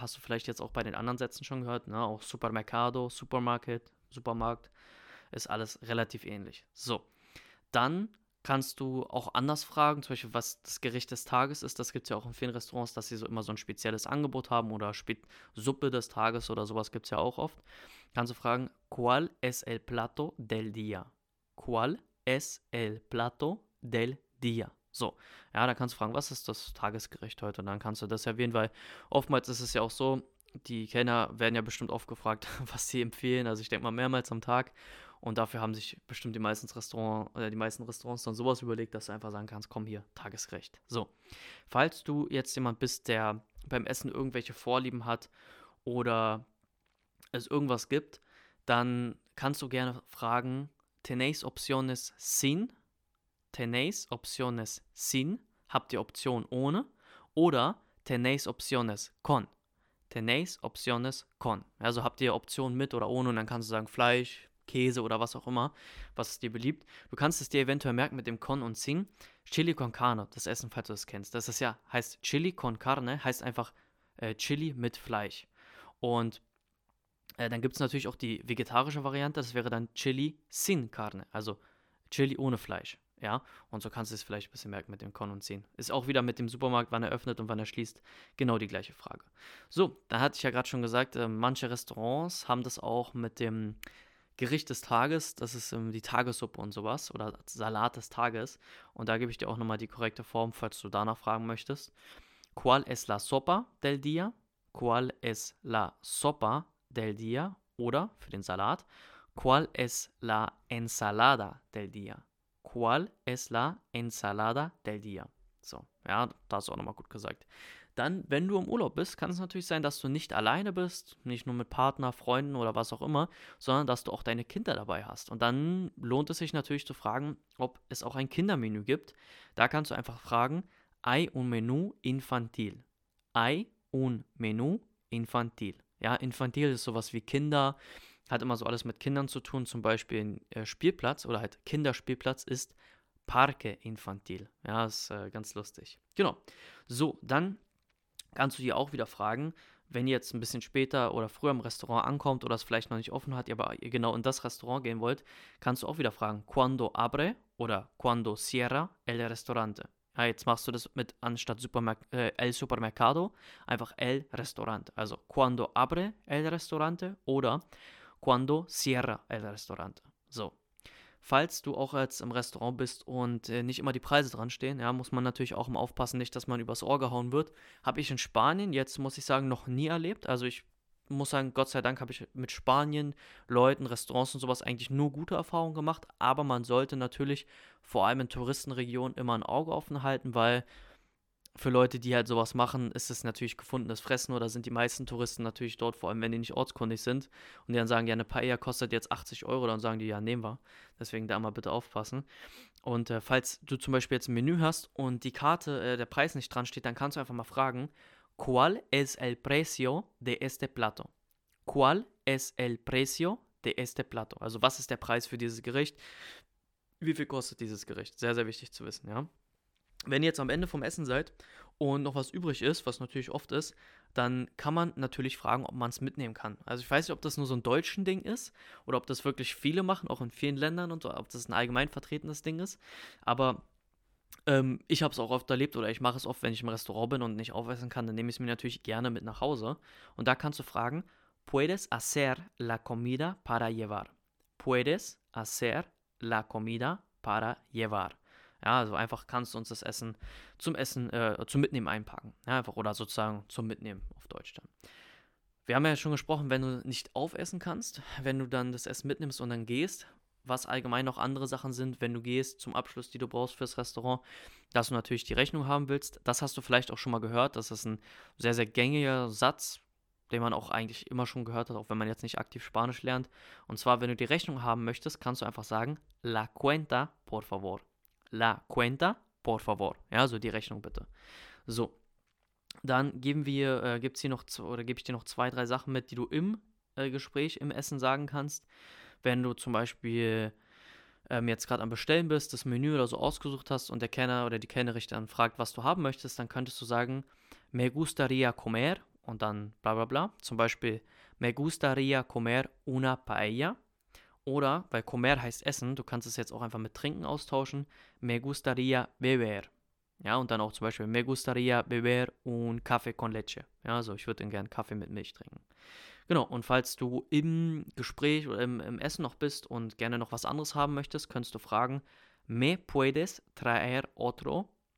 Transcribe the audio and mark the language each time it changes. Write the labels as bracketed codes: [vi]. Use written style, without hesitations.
[de] Hast du vielleicht jetzt auch bei den anderen Sätzen schon gehört, ne? Auch Supermercado, Supermarket, Supermarkt, ist alles relativ ähnlich. So, dann kannst du auch anders fragen, zum Beispiel, was das Gericht des Tages ist. Das gibt es ja auch in vielen Restaurants, dass sie so immer so ein spezielles Angebot haben oder Suppe des Tages oder sowas gibt es ja auch oft. Kannst du fragen, [es] ¿Cuál es el plato del día? ¿Cuál es el plato del día? [de] So, ja, dann kannst du fragen, was ist das Tagesgericht heute? Und dann kannst du das erwähnen, weil oftmals ist es ja auch so, die Kellner werden ja bestimmt oft gefragt, was sie empfehlen. Also ich denke mal mehrmals am Tag. Und dafür haben sich bestimmt die meisten Restaurants dann sowas überlegt, dass du einfach sagen kannst, komm hier, Tagesgericht. So, falls du jetzt jemand bist, der beim Essen irgendwelche Vorlieben hat oder es irgendwas gibt, dann kannst du gerne fragen, [es] ¿Tenéis opciones sin? ¿Tenéis opciones sin? [de] Habt ihr Option ohne? [es] Oder ¿Tenéis opciones con? ¿Tenéis opciones con? [de] Also habt ihr Option mit oder ohne? Und dann kannst du sagen Fleisch, Käse oder was auch immer, was es dir beliebt. Du kannst es dir eventuell merken mit dem con und sin. Chili con carne, das Essen, falls du das kennst. Das ist ja, heißt Chili con carne, heißt einfach Chili mit Fleisch. Und dann gibt es natürlich auch die vegetarische Variante. Das wäre dann Chili sin carne, also Chili ohne Fleisch. Ja, und so kannst du es vielleicht ein bisschen merken mit dem Kommen und Ziehen. Ist auch wieder mit dem Supermarkt, wann er öffnet und wann er schließt, genau die gleiche Frage. So, da hatte ich ja gerade schon gesagt, manche Restaurants haben das auch mit dem Gericht des Tages, das ist die Tagessuppe und sowas oder Salat des Tages. Und da gebe ich dir auch nochmal die korrekte Form, falls du danach fragen möchtest. [es] ¿Cuál es la sopa del día? ¿Cuál es la sopa del día? [de] Oder für den Salat, [es] ¿Cuál es la ensalada del día? ¿Cuál es la ensalada del día? [de] So, ja, das ist auch nochmal gut gesagt. Dann, wenn du im Urlaub bist, kann es natürlich sein, dass du nicht alleine bist, nicht nur mit Partner, Freunden oder was auch immer, sondern dass du auch deine Kinder dabei hast. Und dann lohnt es sich natürlich zu fragen, ob es auch ein Kindermenü gibt. Da kannst du einfach fragen, [es] ¿Hay un menú infantil? ¿Hay un menú infantil? [de] Ja, infantil ist sowas wie Kinder, hat immer so alles mit Kindern zu tun, zum Beispiel ein Spielplatz oder halt Kinderspielplatz ist Parque infantil. Ja, ist ganz lustig. Genau. So, dann kannst du dir auch wieder fragen, wenn ihr jetzt ein bisschen später oder früher im Restaurant ankommt oder es vielleicht noch nicht offen hat, aber ihr genau in das Restaurant gehen wollt, kannst du auch wieder fragen, [es] ¿Cuándo abre oder cuándo cierra el restaurante? [de] Ja, jetzt machst du das mit anstatt el Supermercado einfach el Restaurant. [es] Also, ¿Cuándo abre el restaurante? Oder ¿Cuándo cierra el restaurante? [de] So. Falls du auch jetzt im Restaurant bist und nicht immer die Preise dran stehen, ja, muss man natürlich auch mal aufpassen, nicht, dass man übers Ohr gehauen wird. Habe ich in Spanien jetzt, muss ich sagen, noch nie erlebt. Also ich muss sagen, Gott sei Dank habe ich mit Spanien, Leuten, Restaurants und sowas eigentlich nur gute Erfahrungen gemacht. Aber man sollte natürlich vor allem in Touristenregionen immer ein Auge offen halten, weil für Leute, die halt sowas machen, ist es natürlich gefundenes Fressen oder sind die meisten Touristen natürlich dort, vor allem wenn die nicht ortskundig sind und die dann sagen, ja, eine Paella kostet jetzt 80 Euro, dann sagen die, ja, nehmen wir. Deswegen da mal bitte aufpassen. Und falls du zum Beispiel jetzt ein Menü hast und die Karte, der Preis nicht dran steht, dann kannst du einfach mal fragen, [es] ¿Cuál es el precio de este plato? ¿Cuál es el precio de este plato? [de] Also, was ist der Preis für dieses Gericht? Wie viel kostet dieses Gericht? Sehr, sehr wichtig zu wissen, ja. Wenn ihr jetzt am Ende vom Essen seid und noch was übrig ist, was natürlich oft ist, dann kann man natürlich fragen, ob man es mitnehmen kann. Also ich weiß nicht, ob das nur so ein deutsches Ding ist oder ob das wirklich viele machen, auch in vielen Ländern und so, ob das ein allgemein vertretenes Ding ist. Aber ich habe es auch oft erlebt oder ich mache es oft, wenn ich im Restaurant bin und nicht aufessen kann, dann nehme ich es mir natürlich gerne mit nach Hause. Und da kannst du fragen, [es] ¿Puedes hacer la comida para llevar? ¿Puedes hacer la comida para llevar? [de] Ja, also einfach kannst du uns das Essen zum Essen, zum Mitnehmen einpacken. Ja, einfach oder sozusagen zum Mitnehmen auf Deutsch dann. Wir haben ja schon gesprochen, wenn du nicht aufessen kannst, wenn du dann das Essen mitnimmst und dann gehst, was allgemein noch andere Sachen sind, wenn du gehst zum Abschluss, die du brauchst fürs Restaurant, dass du natürlich die Rechnung haben willst. Das hast du vielleicht auch schon mal gehört. Das ist ein sehr, sehr gängiger Satz, den man auch eigentlich immer schon gehört hat, auch wenn man jetzt nicht aktiv Spanisch lernt. Und zwar, wenn du die Rechnung haben möchtest, kannst du einfach sagen, [es] la cuenta, por favor. La cuenta, por favor. [de] Ja, also die Rechnung bitte. So, dann gibt's hier noch oder gebe ich dir noch zwei, drei Sachen mit, die du im Gespräch, im Essen sagen kannst. Wenn du zum Beispiel jetzt gerade am Bestellen bist, das Menü oder so ausgesucht hast und der Kellner oder die Kellnerin dann fragt, was du haben möchtest, dann könntest du sagen, [es] me gustaría comer [de] und dann bla bla bla. Zum Beispiel, [es] me gustaría comer una paella. [de] Oder, weil comer heißt essen, du kannst es jetzt auch einfach mit trinken austauschen. [es] Me gustaría beber. [de] Ja, und dann auch zum Beispiel, [es] me gustaría beber un café con leche. [de] Ja, also ich würde dann gerne Kaffee mit Milch trinken. Genau, und falls du im Gespräch oder im Essen noch bist und gerne noch was anderes haben möchtest, könntest du fragen, [es] me puedes traer otro?